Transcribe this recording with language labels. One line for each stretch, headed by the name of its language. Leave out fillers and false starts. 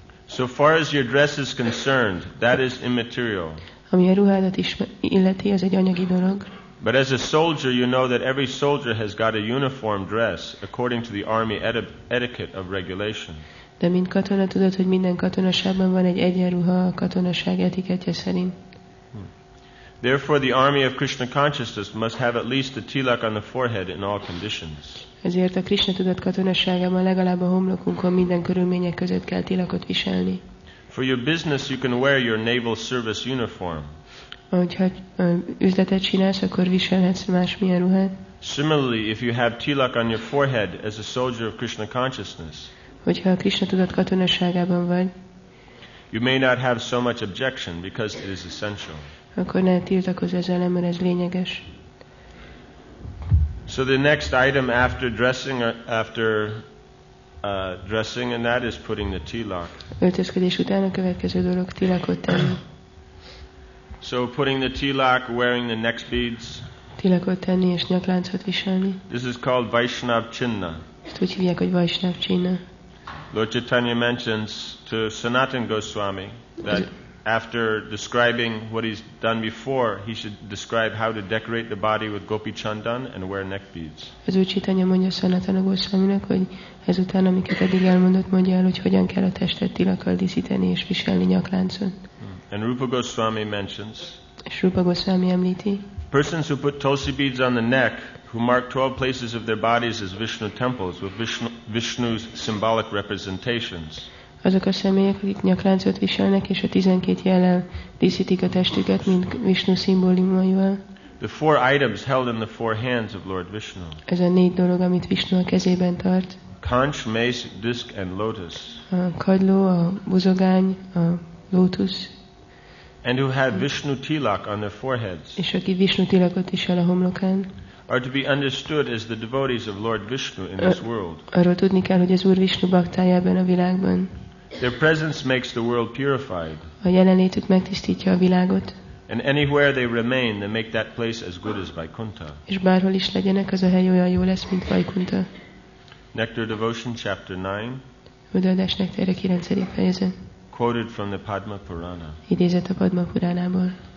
English: So far as your dress is concerned, that is immaterial.
Hungarian: Ami a ruhádat is illeti, az egy anyagi dolog.
English: But as a soldier, you know that every soldier has got a uniform dress according to the army etiquette of regulation.
Hungarian: De mint katona tudod, hogy minden katonaságban van egy egyenruha a katonaság etikettje szerint.
English: Therefore, the army of Krishna consciousness must have at least a tilak on the forehead in all conditions.
Hungarian: Ezért a Krishna tudat katonaságában legalább a homlokunkon minden körülmények között kell tilakot viselni.
English: For your business, you can wear your naval service uniform.
Hungarian: Hogyha üzletet csinálsz, akkor viselhetsz másmilyen ruhát.
English: Similarly, if you have tilak on your forehead as a soldier of Krishna consciousness.
Hungarian: Hogyha a Krishna tudat katonaságában vagy.
English: You may not have so much objection because it is essential.
Hungarian: Akkor ne tiltakozz ezzel, mert ez lényeges.
English: So the next item after dressing and that is putting the tilak.
Hungarian: Öltözködés után a következő dolog tilakot tenni.
English: So putting the tilak, wearing the neck beads.
Hungarian: Tilakot tenni és nyakláncot viselni.
English: This is called Vaishnav Chinna.
Hungarian: Ezt úgy hívják, hogy Vaishnav Chinna.
English: Lord Chaitanya mentions to Sanatan Goswami that after describing what he's done before, he should describe how to decorate the body with Gopi Chandan and wear neck beads.
Hungarian: Ez úgy Chaitanya mondja Sanatan Goswaminak, hogy ezután, amiket eddig elmondott, mondja el, hogy hogyan kell a testet tilakkal díszíteni és viselni nyakláncot.
English: And Rupa Goswami mentions.
Hungarian: És Rupa Goswami említi.
English: Persons who put tulsi beads on the neck, who mark 12 places of their bodies as Vishnu temples with Vishnu's symbolic representations.
Hungarian: Azok a személyek, akik nyakláncot viselnek és a 12 jellel díszítik a testüket, mint Vishnu szimbólumaival.
English: The four items held in the four hands of Lord Vishnu.
Hungarian: Ez a négy dolog, amit Vishnu a kezében tart.
English: Conch, mace, disc and lotus.
Hungarian: A kagyló, a buzogány, a lótusz.
English: And who have Vishnu tilak on their foreheads.
Hungarian: És aki Vishnu tilakot visel a homlokán.
English: Are to be understood as the devotees of Lord Vishnu in this world.
Hungarian: Arról tudni kell, hogy az Úr Vishnu baktája ebben a világban.
English: Their presence makes the world purified.
Hungarian: A jelenlétük megtisztítja a világot.
English: And anywhere they remain, they make that place as good as Vaikuntha.
Hungarian: És bárhol is legyenek, az a hely olyan jó lesz, mint Vaikuntha.
English: Nectar Devotion, Chapter 9.
Hungarian: Odaadás nektárja 9. fejezet.
English: Quoted from the Padma Purana.
Hungarian: Idézett a Padma Puránából.